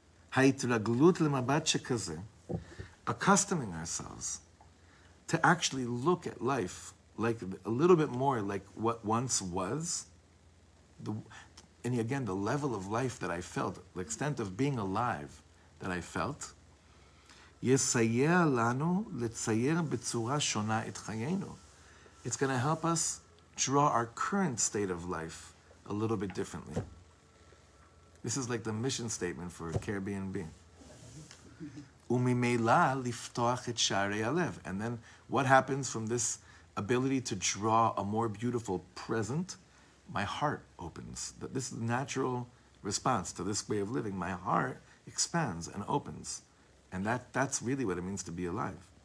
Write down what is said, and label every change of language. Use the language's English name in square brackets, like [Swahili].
[Hebrew] Ha'itraglut lemabat shekaze. [English] Accustoming ourselves to actually look at life like a little bit more like what once was. And again, the level of life that I felt, the extent of being alive that I felt. [Hebrew] יסייע לנו לצייר בצורה שונה את חיינו. [English] It's going to help us draw our current state of life a little bit differently. This is like the mission statement for Caribbean being. [Hebrew] וממילא לפתוח את שערי הלב. [English] And then what happens from this ability to draw a more beautiful present? My heart opens. This is the natural response to this way of living. My heart expands and opens. And that's really what it means to be alive.